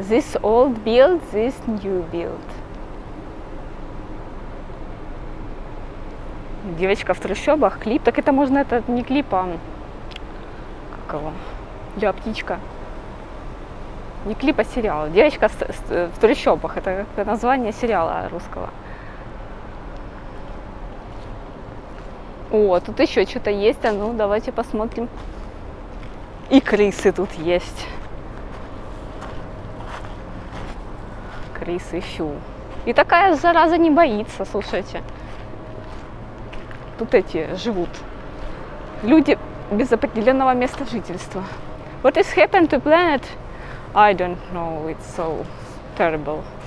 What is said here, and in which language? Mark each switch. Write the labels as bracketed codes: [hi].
[en] This old build, this new build. [ru] Девочка в трущобах, клип. Так это можно, это не клип, а... Как его? Я птичка. Не клип, а сериал. Девочка в трущобах. Это название сериала русского. О, тут еще что-то есть. А ну, давайте посмотрим. И крысы тут есть. Крысы, фью. И такая зараза не боится, слушайте. Тут эти живут. Люди без определенного места жительства. [en] What has happened to planet? I don't know, it's so terrible.